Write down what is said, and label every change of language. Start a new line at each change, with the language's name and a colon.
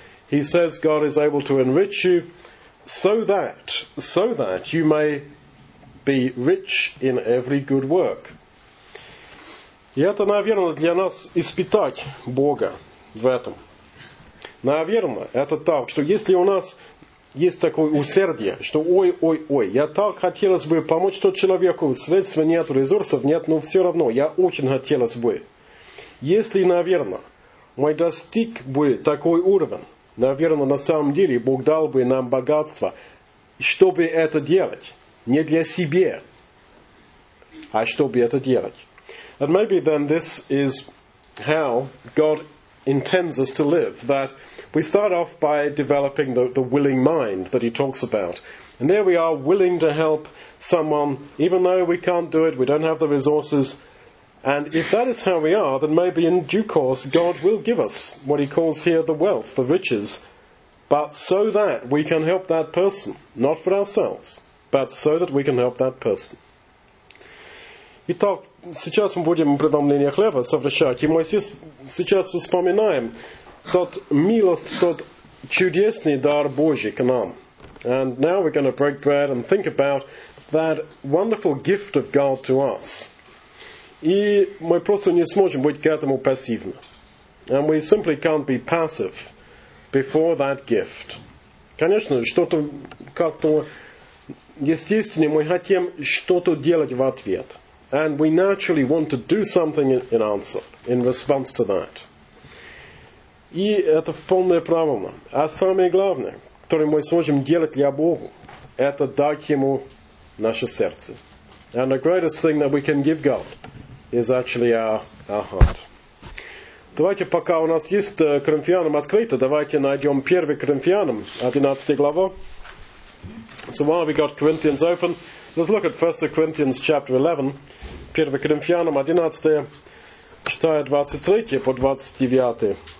English: He says God is able to enrich you so that you may be rich in every good work.
Russian: И это, наверное, для нас испытать Бога в этом. Наверное, это так, что если у нас есть такое усердие, что ой, я так хотелось бы помочь тому человеку, средств нет, ресурсов нет, но все равно, я очень хотелось бы. Если, наверное, мы достиг бы такой уровень, наверное, на самом деле Бог дал бы нам богатство, чтобы это делать, не для себя, а чтобы это делать.
English: And maybe then this is how God intends us to live, that we start off by developing the willing mind that he talks about. And there we are willing to help someone, even though we can't do it, we don't have the resources. And if that is how we are, then maybe in due course God will give us what he calls here the wealth, the riches, but so that we can help that person, not for ourselves, but so that we can help that person.
Russian: Итак, сейчас мы будем преломление хлеба совершать, и мы сейчас вспоминаем тот милость, тот чудесный дар Божий к нам.
English: And now we're going to break bread and think about that wonderful gift of God to us.
Russian: И мы просто не сможем быть к этому пассивны.
English: And we simply can't be passive before that gift.
Russian: Конечно, что-то как-то естественно, мы хотим что-то делать в ответ.
English: And we naturally want to do something in answer, in response to that.
Russian: И это вполне правильно. А самое главное, которое мы сможем делать для Бога, это дать Ему наше сердце.
English: And the greatest thing that we can give God is actually our heart.
Russian: Давайте, пока у нас есть Коринфянам открыто, давайте найдем 1 Коринфянам, 11 главу.
English: So while we got Corinthians open, let's look at 1 Corinthians chapter 11.
Russian: 1 Коринфянам 11, читая 23 по 29.